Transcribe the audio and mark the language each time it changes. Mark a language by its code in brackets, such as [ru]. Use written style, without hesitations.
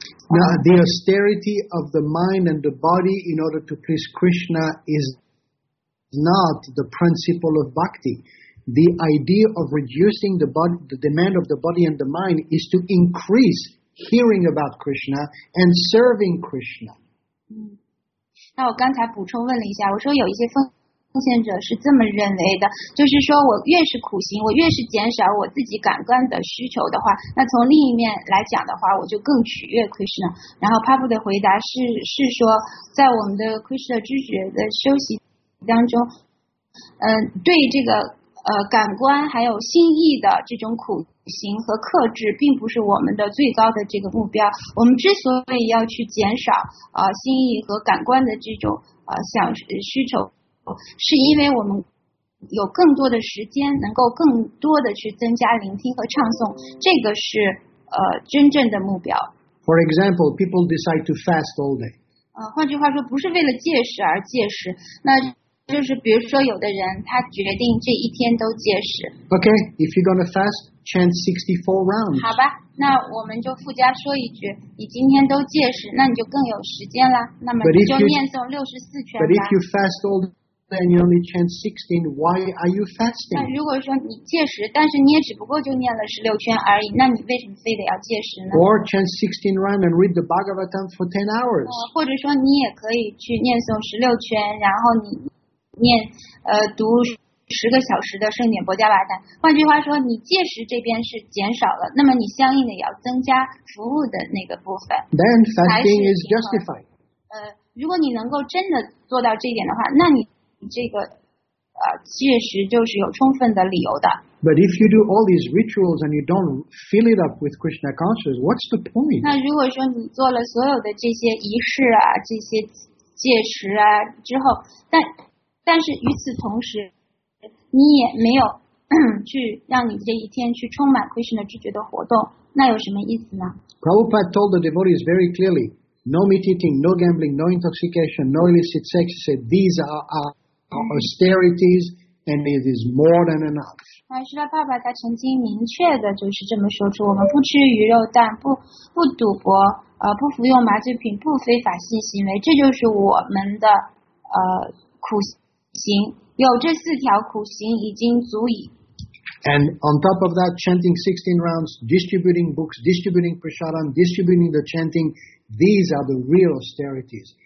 [en] Now, the austerity of the mind and the body in order to please Krishna is not the principle of bhakti. The idea of reducing the body, the demand of the body and the mind is to increase hearing about Krishna and serving Krishna. [zh] 那我刚才补充问了一下，我说有一些奉献者是这么认为的，就是说我越是苦行，我越是减少我自己感官的需求的话，那从另一面来讲的话，我就更取悦 Krishna。然后 Prabhu 的回答是说，在我们的 Krishna 知觉的修习当中，对这个感官还有心意的这种苦行和克制，并不是我们的最高的这个目标。我们之所以要去减少心意和感官的这种想需求，是因为我们有更多的时间能够更多的去增加聆听和唱诵，这个是真正的目标。 [en] For example, people decide to fast all day. [zh] 换句话说，不是为了戒食而戒食，那就是比如说有的人他决定这一天都戒食。 [en] Okay, if you're gonna fast, chant 64 rounds. [zh] 好吧，那我们就附加说一句，你今天都戒食，那你就更有时间了，那么你就念诵64圈吧。 [en] But if you fast all day,then you only chant 16. Why are you fasting? [zh] 那如果说你戒食，但是你也只不过就念了16圈而已，那你为什么非得要戒食呢？ [en] Or chant 16 rhyme and read the Bhagavatam for 10 hours. [zh] 或者说你也可以去念诵16圈，然后你念读十个小时的圣典博迦巴坛。换句话说，你戒食这边是减少了，那么你相应的也要增加服务的那个部分。 [en] Then fasting is justified. [zh] 如果你能够真的做到这一点的话，那你这个戒食就是有充分的理由的。 But if you do all these rituals and you don't fill it up with Krishna consciousness, what's the point? 那如果说你做了所有的这些仪式啊，这些戒食啊之后，但是与此同时，你也没有去让你这一天去充满 Krishna 知觉的活动，那有什么意思呢？ [en] Prabhupada told the devotees very clearly, no meat eating, no gambling, no intoxication, no illicit sex. He said these are austerities, and it is more than enough. [zh] 那释迦牟尼他曾经明确的就是这么说出：我们不吃鱼肉蛋，不赌博，不服用麻醉品，不非法性行为，这就是我们的苦行。有这四条苦行已经足矣。 [en] And on top of that, chanting 16 rounds, distributing books, distributing prasadam, distributing the chanting, these are the real austerities.